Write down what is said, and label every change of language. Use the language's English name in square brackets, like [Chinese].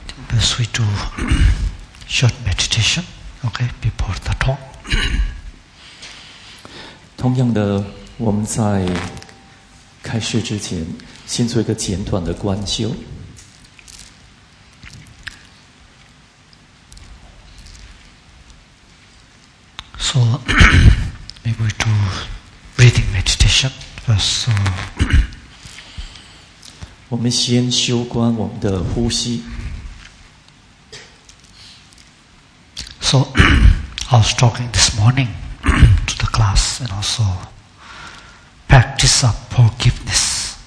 [English] This we do short meditation, okay, before the talk. [Chinese] 同样的，我们在开始之前，先做一个简短的观修。 [English] So, maybe we do breathing meditation first. So. [Chinese] 我们先修观我们的呼吸。 [English] So, I was talking this morning to the class, and also practice of forgiveness.